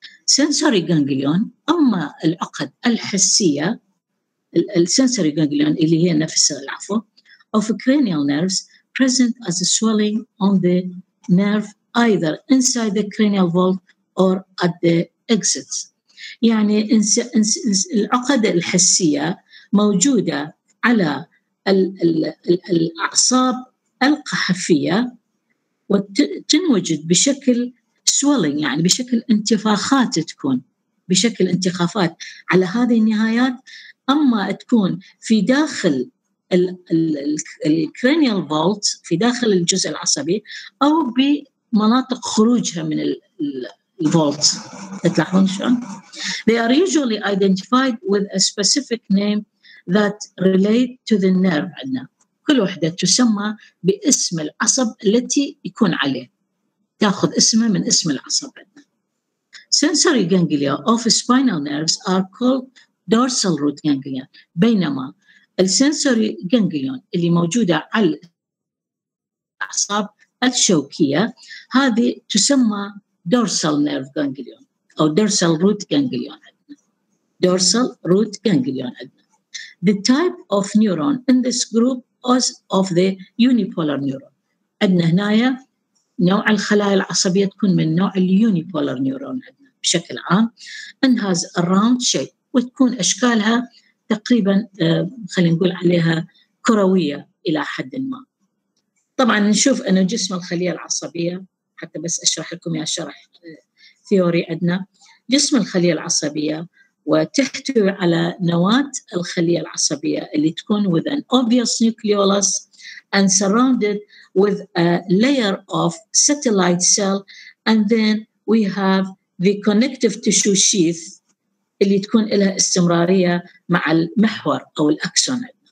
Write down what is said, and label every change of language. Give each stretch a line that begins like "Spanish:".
English: Sensory ganglion
Arabic: أما العقد الحسية
English: sensory ganglion
Arabic: اللي هي نفس العفو
English: of cranial nerves present as a swelling on the nerve either inside the cranial vault or at the exits.
Arabic: يعني العقد الحسية موجودة على الأعصاب القحفية وتنوجد بشكل swelling، يعني بشكل انتفاخات، تكون بشكل انتخافات على هذه النهايات. أما تكون في داخل الكرانيال فولت، في داخل الجزء العصبي، أو بمناطق خروجها من الفولت. تلاحظون شلون؟
English: They are usually identified with a specific name that relate to the nerve.
Arabic: عندنا كل وحدة تسمى باسم العصب التي يكون عليه، تأخذ اسمه من اسم العصب.
English: Sensory ganglia of spinal nerves are called dorsal root ganglia.
Arabic: بينما السنسوري جانجليون اللي موجودة على الأعصاب الشوكية هذه تسمى dorsal nerve ganglion أو dorsal root ganglion.
English: dorsal root ganglion. The type of neuron in this group is of the unipolar neuron.
Arabic: عندنا هنا نوع الخلايا العصبية تكون من نوع unipolar neuron بشكل عام.
English: And has a round shape.
Arabic: وتكون أشكالها تقريبا خلينا نقول عليها كروية إلى حد ما. طبعا نشوف أن جسم الخلية العصبية، حتى بس أشرح لكم يا شرح ثيوري أدنى، جسم الخلية العصبية وتحتوي على نواة الخلية العصبية اللي تكون
English: with an obvious nucleolus and surrounded with a layer of satellite cell and then we have the connective tissue sheath
Arabic: اللي تكون لها استمرارية مع المحور أو الأكسون.